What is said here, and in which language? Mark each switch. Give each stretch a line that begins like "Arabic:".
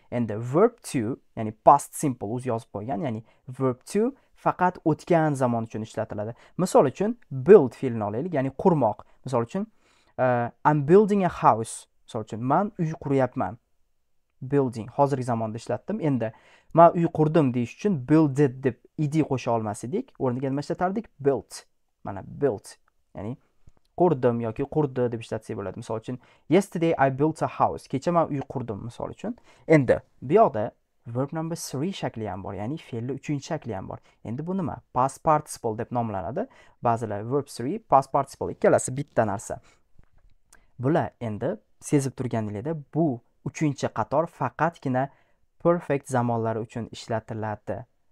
Uzbek: Endi verb 2, ya'ni past simple o'zi yozib qo'ygan, ya'ni verb 2 faqat o'tgan zamon uchun ishlatiladi. Misol uchun build fe'lini olaylik, ya'ni qurmoq. Misol uchun
English: I'm building a house.
Uzbek: Misol uchun man uy quryapman. Building hozirgi zamonda ishlatdim. Endi man uy qurdim deyish uchun builded deb ed qo'sha olmas edik. O'rniga nima ishlatardik? Built. Mana built. Ya'ni qurdim yoki qurdi deb ishlatsak bo'ladi. Misol uchun
English: yesterday I built a house.
Uzbek: Kecha man uy qurdim misol uchun. Endi bu yoqda verb number 3 shakli ham bor, ya'ni fe'lni 3-chi shakli ham bor. Endi bu nima? Past participle deb nomlanadi. Ba'zilar verb 3, past participle, ikkalasi bitta narsa. Bular endi sezib turganingizda bu 3-chi qator faqatgina perfect zamonlari uchun ishlatiladi.